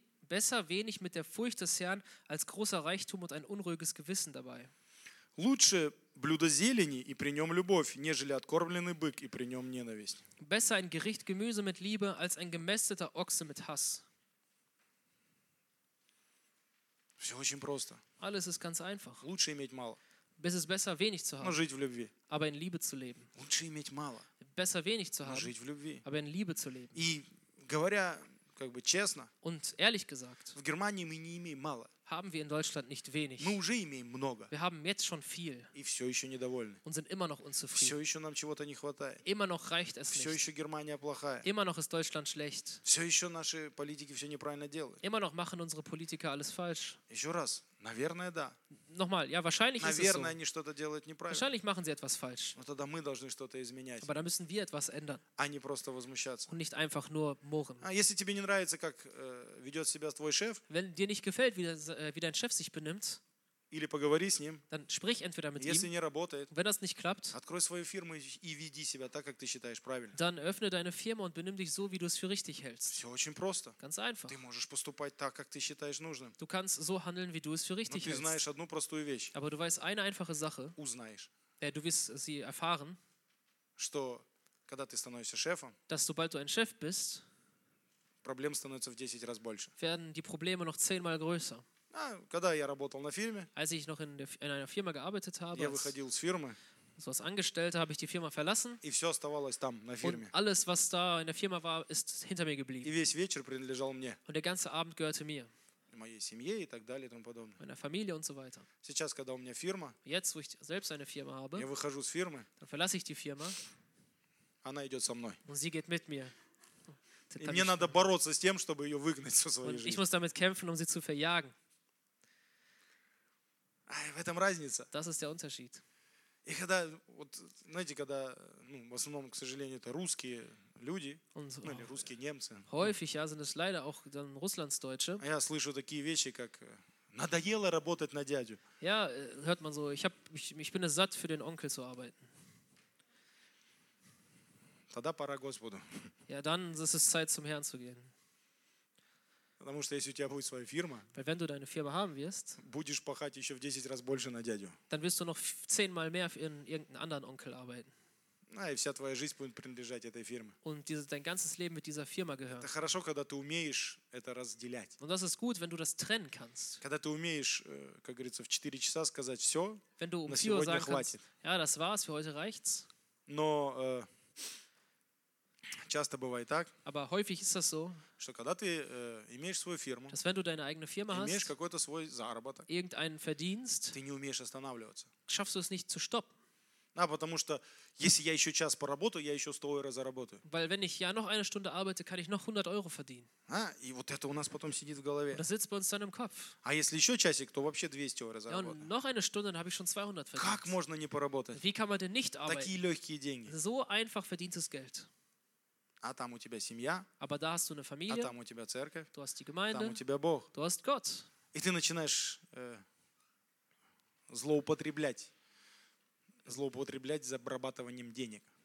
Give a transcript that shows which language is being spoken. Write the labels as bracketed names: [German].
[German] Besser wenig mit der Furcht des Herrn als großer Reichtum und ein unruhiges Gewissen dabei. [Russian] Лучше блюдо зелени и при нем любовь, нежели откормленный бык и при нем ненависть. [German] Besser ein Gericht Gemüse mit Liebe als ein gemästeter Ochse mit Hass. [Russian] Все очень просто. [German] Alles ist ganz einfach. [Russian] Лучше иметь мало. [German] Es ist besser wenig zu haben. [Russian] Но жить в любви. [German] Aber in Liebe zu leben. [Russian] Лучше иметь мало. [German] Besser wenig zu haben. [Russian] Но жить в любви. [German] Aber in Liebe zu leben. [Russian] И говоря как бы честно. [German] Und ehrlich gesagt, [Russian] в Германии мы не имеем мало. [German] Haben wir in Deutschland nicht wenig. [Russian] Мы уже имеем много. [German] Wir haben jetzt schon viel. [Russian] И все еще недовольны. [German] Und sind immer noch unzufrieden. [Russian] Все еще нам чего-то не хватает. [German] Immer noch reicht es [Russian] все [German] nicht. [Russian] Еще Германия плохая. [German] Immer noch ist Deutschland schlecht. [Russian] Все еще наши политики все неправильно делают. [German] Immer noch machen unsere Politiker alles falsch. [Russian] Еще раз, наверное, да. [German] Nochmal, ja, wahrscheinlich [Russian] наверное, [German] ist es so. [Russian] Наверное, они что-то делают неправильно. [German] Wahrscheinlich machen sie etwas falsch. [Russian] Но тогда мы должны что-то изменять. [German] Aber dann müssen wir etwas ändern. [Russian] А не просто возмущаться. [German] Und nicht einfach nur murren. [Russian] А если тебе не нравится, как ведет себя твой шеф? [German] Wenn dir nicht gefällt, wie dein Chef sich benimmt, [Russian] или поговори с ним. [German] Dann sprich entweder mit [Russian] если [German] ihm. [Russian] Не работает, [German] wenn das nicht klappt, [Russian] открой свою фирму и веди себя так, как ты считаешь правильно. [German] Dann öffne deine Firma und benimm dich so, wie du es für richtig hältst. [Russian] Все очень просто. [German] Ganz einfach. [Russian] Ты можешь поступать так, как ты считаешь нужным. [German] Du kannst so handeln, wie du es für richtig [Russian] но [German] hältst. [Russian] Но ты знаешь одну простую вещь. [German] Aber du weißt eine einfache Sache. [Russian] Узнаешь. [German] Du wirst sie erfahren. [Russian] Что, когда ты становишься шефом, [German] dass sobald du ein Chef bist, [Russian] проблем становится в 10 раз больше. [German] Werden die Probleme noch 10-mal größer. [Russian] Когда я работал на фирме, [German] als ich noch in einer Firma gearbeitet habe, [Russian] я выходил с фирмы, [German] so als Angestellter habe ich die Firma verlassen, [Russian] и все оставалось там, на фирме. [German] Und alles, was da in der Firma war, ist hinter mir geblieben. [Russian] И весь вечер принадлежал мне. [German] Und der ganze Abend gehörte mir. [Russian] моей семье и так далее и тому подобное. [German] Meiner Familie und so weiter. [Russian] Сейчас, когда у меня фирма, [German] jetzt, wo ich selbst eine Firma habe, [Russian] я выхожу с фирмы, [German] dann verlasse ich die Firma, [Russian] она идет со мной. [German] Und sie geht mit mir. [Russian] И мне надо бороться с тем, чтобы ее выгнать со своей жизни. [German] Ich muss damit kämpfen, um sie zu verjagen. [Russian] В этом разница. [German] Das ist der Unterschied. [Russian] И когда, вот, знаете, когда, ну, в основном, к сожалению, это русские люди, [German] und, [Russian] ну, или русские немцы. [German] Häufig, ja, sind es leider auch dann Russlandsdeutsche. [Russian] А я слышу такие вещи, как надоело работать на дядю. [German] Ja, hört man so, ich bin es satt, für den Onkel zu arbeiten. [Russian] Тогда пора Господу. [German] Ja, dann ist es Zeit, zum Herrn zu gehen. [Russian] Потому что если у тебя будет своя фирма, [German] weil wenn du deine Firma haben wirst, [Russian] будешь пахать еще в 10 раз больше на дядю. [German] Dann wirst du noch 10-mal mehr für irgendeinen anderen Onkel arbeiten. Ja, [Russian] и вся твоя жизнь будет принадлежать этой фирме. [German] Und diese, dein ganzes Leben mit dieser Firma gehört. [Russian] Это хорошо, когда ты умеешь это разделять. [German] Und das ist gut, wenn du das trennen kannst. [Russian] Когда ты умеешь, как говорится, в 4 часа сказать все, [German] wenn du [Russian] на сегодня [German] sagen [Russian] хватит. [German] Kannst, ja, das war's, für heute reicht's. [Russian] Но часто бывает так, [German] aber häufig ist das so, [Russian] что когда ты имеешь свою фирму, [German] dass wenn du deine eigene Firma hast, [Russian] имеешь какой-то свой заработок, [German] irgendeinen Verdienst, [Russian] ты не умеешь останавливаться. [German] Schaffst du es nicht zu stoppen. [Russian] Да, потому что если я еще час поработаю, я еще 100 евро заработаю. [German] Weil wenn ich ja noch eine Stunde arbeite, kann ich noch 100 Euro verdienen. [Russian] А, и вот это у нас потом сидит в голове. [German] Und das sitzt bei uns dann im Kopf. [Russian] А если еще часик, то вообще 200 евро заработаю. [German] Ja, und noch eine Stunde, dann habe ich schon 200 verdient. [Russian] Как можно не поработать? [German] Wie kann man denn nicht arbeiten? [Russian] Такие легкие деньги. [German] So einfach verdientes Geld. [Russian] А там у тебя семья. [German] Aber da hast du eine Familie, [Russian] а там у тебя церковь. [German] Du hast die Gemeinde, [Russian] там у тебя Бог. [German] Du hast Gott. [Russian] И ты начинаешь злоупотреблять зарабатыванием денег.